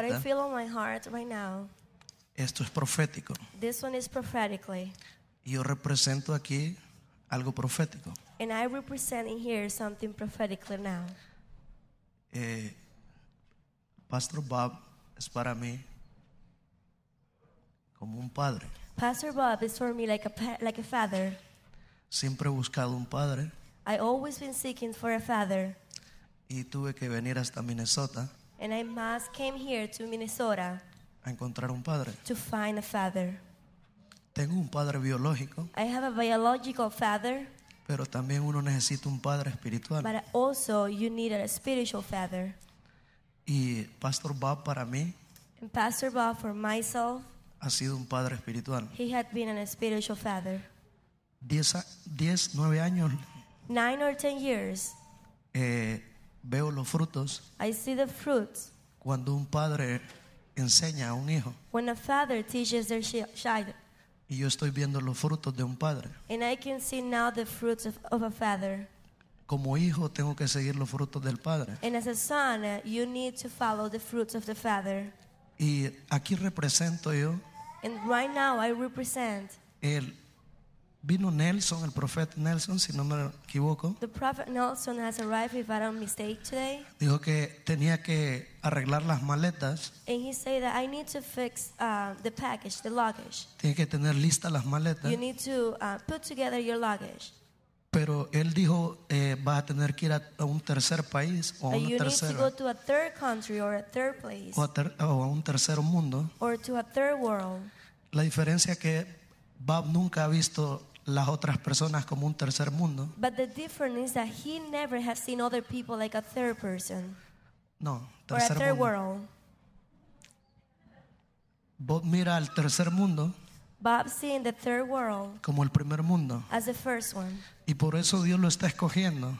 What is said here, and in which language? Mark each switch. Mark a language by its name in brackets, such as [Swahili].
[English] What I feel on my heart right now. [Spanish] Esto es profético. [English] This one is prophetically. [Spanish] Yo represento aquí algo profético. [English] And I represent in here something prophetically now. [Spanish] Pastor Bob es para mí como un padre. [English] Pastor Bob is for me like a father. [Spanish] Siempre he buscado un padre. [English] I always been seeking for a father. [Spanish] Y tuve que venir hasta Minnesota. [English] And I must came here to Minnesota. [Spanish] A encontrar un padre. [English] To find a father. [Spanish] Tengo un padre biológico. [English] I have a biological father. [Spanish] Pero también uno necesita un padre espiritual. [English] But also you need a spiritual father. [Spanish] Y Pastor Bob para mí. [English] And Pastor Bob for myself. [Spanish] Ha sido un padre espiritual. [English] He had been a spiritual father. [Spanish] 9 años. [English] 9 or 10 years. [Spanish] Veo los frutos. [English] I see the fruits. [Spanish] Cuando un padre enseña a un hijo. [English] When a father teaches their child. [Spanish] Y yo estoy viendo los frutos de un padre. [English] And I can see now the fruits of a father. [Spanish] Como hijo tengo que seguir los frutos del padre. [English] And as a son, you need to follow the fruits of the father. [Spanish] Y aquí represento yo. [English] And right now I represent. [Spanish] El vino Nelson, el profeta Nelson, si no me equivoco. [English] The prophet Nelson has arrived, if I don't mistake today. [Spanish] Dijo que tenía que arreglar las maletas. [English] And he said that I need to fix the package, the luggage. [Spanish] Tiene que tener lista las maletas. [English] You need to put together your luggage. [Spanish] Pero él dijo, vas a tener que ir a un tercer país o a un tercero. [English] You need to go to a third country or a third place. [Spanish] O a un tercero mundo. [English] Or to a third world. [Spanish] La diferencia que Bob nunca ha visto las otras personas como un tercer mundo. [English] But the difference is that he never has seen other people like a third person. [Spanish] No, tercer mundo. [English] Or a third world. [Spanish] Bob mira al tercer mundo. [English] Bob seeing the third world. [Spanish] Como el primer mundo. [English] As the first one. [Spanish] Y por eso Dios lo está escogiendo.